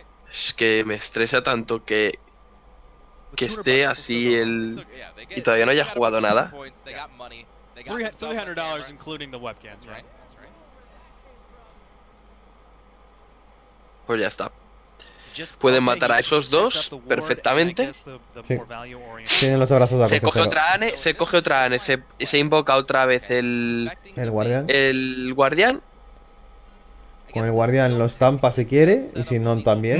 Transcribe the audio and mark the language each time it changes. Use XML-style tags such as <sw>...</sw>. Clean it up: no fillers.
<es>Es que me estresa tanto que esté así el y todavía no haya jugado nada.</es> <en>$300 including the webcams, right?</en> <es>Pues ya está. Pueden matar a esos dos perfectamente. Sí. Tienen los brazos de la cosa, se coge otra Anne, se invoca otra vez el guardián. Con el guardián lo estampa si quiere, y si no también.</es>